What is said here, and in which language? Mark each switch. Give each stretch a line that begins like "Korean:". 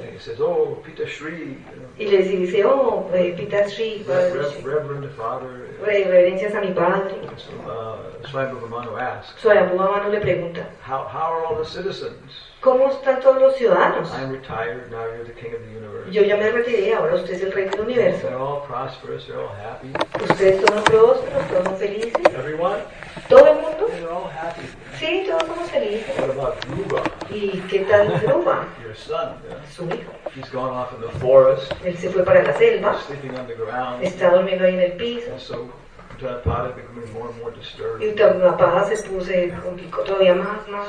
English: And he says, "Oh, Pita Shri."
Spanish: Y le dice, "Oh, Pita Shri."
English: Reverend father.
Spanish: Reverencias a mi padre.
English: Swayambhuva Manu asks.
Spanish: Swayambhuva Manu le pregunta.
English: How are all the citizens?
Spanish: ¿Cómo están todos los ciudadanos?
English: I'm retired, now you're the king of the universe.
Spanish: Yo ya me retiré, ahora usted es el rey del universo.
English: They're all prosperous, they're all happy.
Spanish: Ustedes son prósperos, todos son felices.
English: Everyone?
Spanish: ¿Todo el mundo?
English: They're all happy.
Spanish: Sí, todos somos felices.
English: What about Dhruva?
Spanish: ¿Y qué tal Dhruva?
English: Your son.
Spanish: Su hijo.
English: He's gone off in the forest.
Spanish: Él se fue para la selva.
English: He's sleeping on the ground.
Spanish: Está durmiendo ahí en el piso.
English: And so, Uttanapada becoming more and more disturbed.
Spanish: Y Uttanapada se puse complicó todavía más, más.